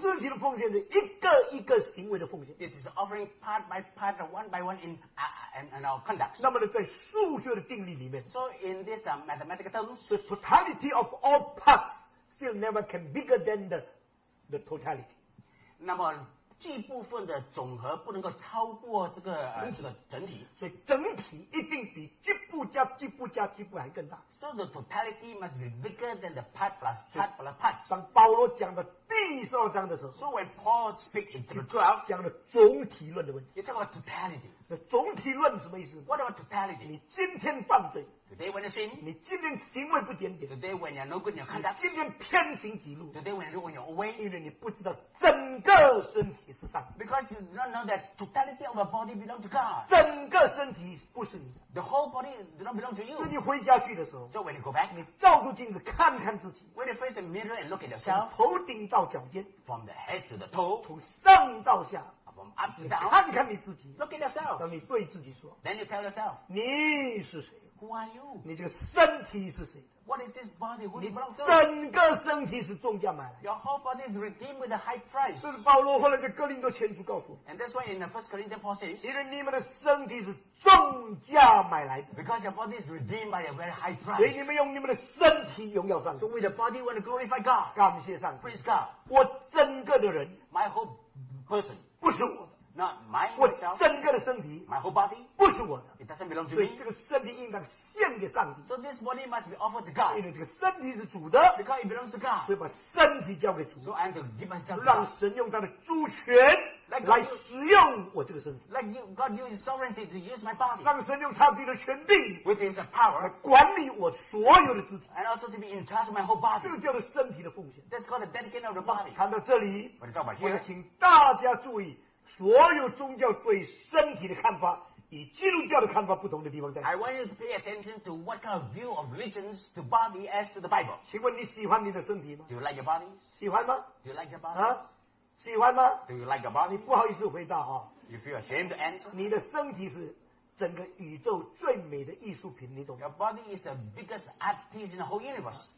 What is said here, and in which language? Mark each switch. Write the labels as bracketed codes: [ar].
[zh] 肢体的奉献是一个一个行为的奉献 [en] It is offering part by part one by one in our conduct [zh] 那么在数学的定律里面 [en] So in this mathematical terms The totality of all parts still never can bigger than the totality [zh] 那么这部分的总和不能够超过这个整体，所以整体一定比局部加局部加局部还更大。 [en] So the totality must be bigger than the part plus part plus part。 [zh] 当保罗讲到第十二章的时候 [en] ，So when Paul speaks in chapter 12， [zh] 讲了总体论的问题。 [en] You talk about totality。 [zh] 那总体论什么意思 [en] ？What about totality？ [zh] 你今天犯罪。 [en] Today when you sin, [zh] 你今天行为不检点。 [en] Today when you're no good, you're conduct. [zh] 今天偏行己路。 [en] Today when you're away, [zh] 因为你不知道整个身体是上帝。 [en] Because you do not know that totality of a body belongs to God. [zh] 整个身体不是你的。 [en] The whole body do not belong to you. [zh] 所以你回家去的时候 [en] ，So when you go back, [zh] 你照住镜子看看自己。 [en] When you face a mirror and look at yourself, [zh] 从头顶到脚尖 [en] ，From the head to the toe, [zh] 从上到下。 [en] From up to down, [zh] 你看看你自己 [en] ，Look at yourself. [zh] 当你对自己说 [en] ，Then you tell yourself, [zh] 你是谁？ [en] Who are you? [zh] 你这个身体是谁的 [en] ？What is this body? Who belongs to? [zh] 你整个身体是重价买来的。 [en] Your whole body is redeemed with a high price. [zh] 这是保罗后来在哥林多前书告诉我。 [en] And that's why in the First Corinthians Paul says, [zh] 因为你们的身体是重价买来的。 [en] Because your body is redeemed by a very high price. [zh] 所以你们用你们的身体荣耀上帝。 [en] So with the body, want to glorify God. [zh] 感谢上帝。 [en] Praise God. [zh] 我整个的人 [en] ，my whole person， [zh] 不是我。 [en] Not my myself, [zh] 我整个的身体 [en] my whole body, [zh] 不是我的 [en] it doesn't belong to [zh] 所以这个身体应当献给上帝 [en] so this body must be offered to God, [zh] 因为这个身体是主的 [en] because it belongs to God, [zh] 所以把身体交给主 [en] so I'm to give myself to [zh] God, 让神用他的主权来使用我这个身体 [en] like God use his sovereignty to use my body [zh] 让神用他自己的权柄 [en] with his power [zh] 来管理我所有的肢体 [en] and also to be in charge of my whole body [zh] 这个叫做身体的奉献 [en] that's called the dedication of the body [zh] 看到这里 [en] but it's about here, [zh] 我要请大家注意所有宗教对身体的看法与基督教的看法不同的地方在哪 [en] I want you to pay attention to what kind of view of religions to body as to the Bible. [zh] 请问你喜欢你的身体吗 [en] Do you like your body? [zh] 喜欢吗 [en] Do you like your body? [zh] 啊喜欢吗 [en] Do you like your body? [zh] 你不好意思回答啊 [en] You feel ashamed to answer? [zh] 你的身体是整个宇宙最美的艺术品你懂吗 [en] Your body is the biggest art piece in the whole universe.